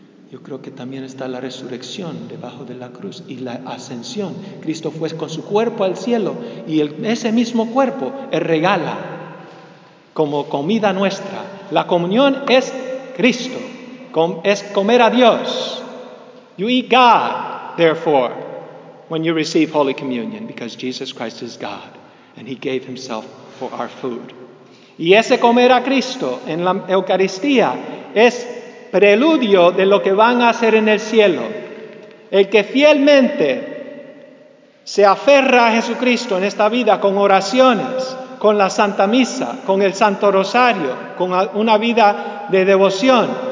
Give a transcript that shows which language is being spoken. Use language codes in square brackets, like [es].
[es] Yo creo que también está la resurrección debajo de la cruz y la ascensión. Cristo fue con su cuerpo al cielo y ese mismo cuerpo regala como comida nuestra. La comunión es Cristo, es comer a Dios. [en] You eat God, therefore, when you receive Holy Communion, because Jesus Christ is God and He gave Himself for our food. [es] Y ese comer a Cristo en la Eucaristía es preludio de lo que van a hacer en el cielo. El que fielmente se aferra a Jesucristo en esta vida con oraciones, con la Santa Misa, con el Santo Rosario, con una vida de devoción.